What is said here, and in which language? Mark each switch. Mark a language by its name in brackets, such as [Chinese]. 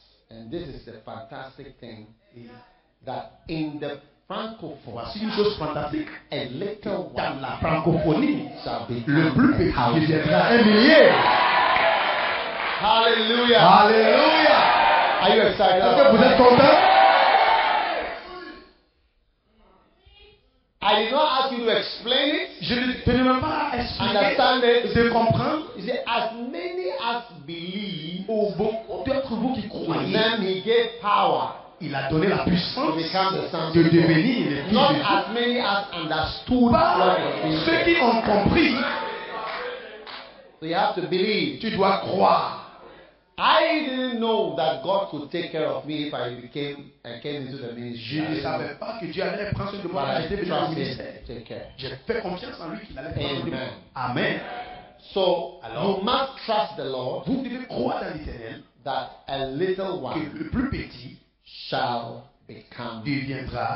[English] And this is the fantastic thing that in the francophone, [French] voici une chose fantastique, [English] a little one [French] dans la francophonie, le plus petit deviendra un millier. [English] Hallelujah. Hallelujah. Are you excited? [French] Est-ce que vous êtes content? [English] I did not ask you to explain it. [French] Je ne te demande pas d'expliquer. [English] Understand it. [French] De comprendre. [English] Say, as many as believe. [French] Oh, beaucoup d'entre vous qui croyez. [English] Then he gave power. [French] Il a donné la puissance [English] to become the son [French] de devenir le Fils. [English] Not [French] de [English] as many as understood. [French] Pas ceux qui ont compris. [English] So you have to believe. [French] Tu dois croire. [English] I didn't know that God would take care of me if I became and came into the ministry. [French] Je ne savais pas que Dieu allait prendre soin de moi. [English] But [French] j'étais [English] trusted, [French] venu au ministère. J'ai fait confiance en lui qu'il allait prendre soin de moi. [English] Amen. So, alors, you must trust the Lord. [French] Vous devez croire dans l'Éternel. [English] That a little one, [French] que le plus petit, [English] shall become, [French] deviendra